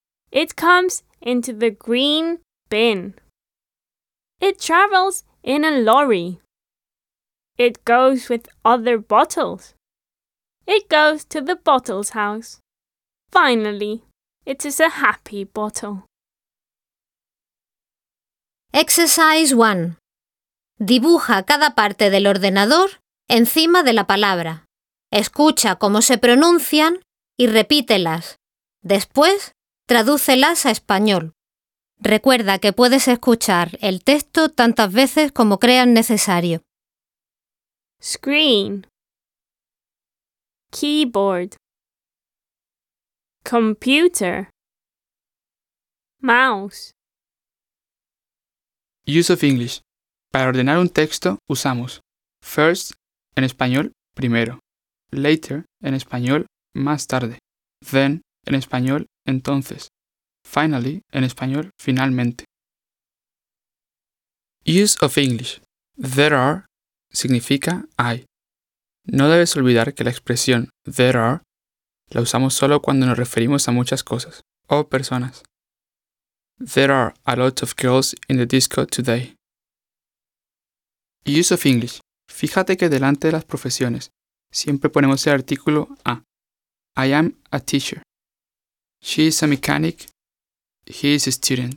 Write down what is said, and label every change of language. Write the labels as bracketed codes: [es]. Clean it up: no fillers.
[en] It comes into the green bin. It travels in a lorry. It goes with other bottles. It goes to the bottle's house. Finally, it is a happy bottle. Exercise 1. [es] Dibuja cada parte del ordenador encima de la palabra. Escucha cómo se pronuncian y repítelas. Después, tradúcelas a español. Recuerda que puedes escuchar el texto tantas veces como creas necesario. [en] Screen. Keyboard. Computer. Mouse. Use of English. [es] Para ordenar un texto usamos first en español primero, later en español más tarde, then en español entonces, finally en español finalmente. [en] Use of English. There are [es] significa hay. No debes olvidar que la expresión [en] there are [es] la usamos solo cuando nos referimos a muchas cosas o personas. [en] There are a lot of girls in the disco today. Use of English. [es] Fíjate que delante de las profesiones siempre ponemos el artículo a. [en] I am a teacher. She is a mechanic. He is a student.